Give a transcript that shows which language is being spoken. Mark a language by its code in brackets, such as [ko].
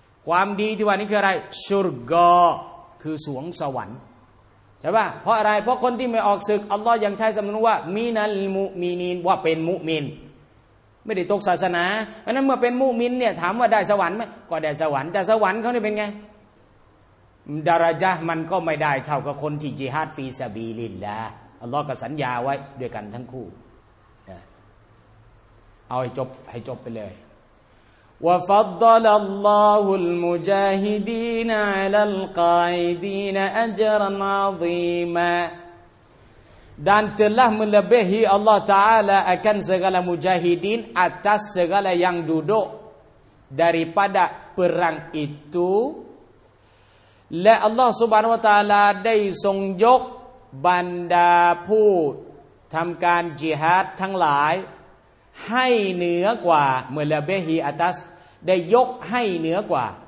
[th] ความดีที่ว่านี้คืออะไรชุรกอคือสวงสวรรค์ใช่ป่ะเพราะอะไรเพราะคนที่ไม่ออกศึกอัลลอฮ์ยังใช้สำนวนว่ามีนัลมุมีนีนว่าเป็นมุมินไม่ได้ตกศาสนาเพราะนั้นเมื่อเป็นมุมินเนี่ยถามว่าได้สวรรค์ไหมก็ได้สวรรค์แต่สวรรค์เขาเนี่ยเป็นไงดาราจะมันก็ไม่ได้เท่ากับคนที่จิฮาดฟีซาบีลินแล้วอัลลอฮ์ก็สัญญาไว้ด้วยกันทั้งคู่เอาให้จบไปเลย [ar] وفضل الله المجاهدين على القائدين أجرا عظيما [ms] dan telah melebihi Allah Taala akan segala mujahidin atas segala yang duduk daripada perang itu [th] และ Allah Subhanahu wa Taala ได้ทรงยกบรรดาผู้ทำการจิฮาดทั้งหลายให้เหนือกว่าเมื่อละเบฮีอัตัสได้ยกให้เหนือกว่า